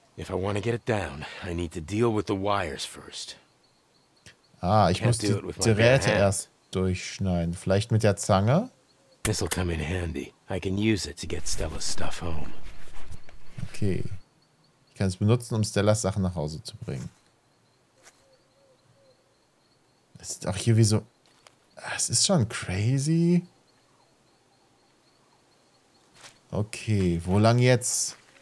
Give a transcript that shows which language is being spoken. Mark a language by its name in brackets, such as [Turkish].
[English] If I want to get it down, I need to deal with the wires first. [German] Ah, ich muss die Drähte erst durchschneiden. Vielleicht mit der Zange? [English] This'll come in handy. I can use it to get Stella's stuff home. Okay. [German] Ich kann es benutzen, um Stellas Sachen nach Hause zu bringen. Es ist auch hier wie so... Es ist schon crazy. Okay, wo lang jetzt?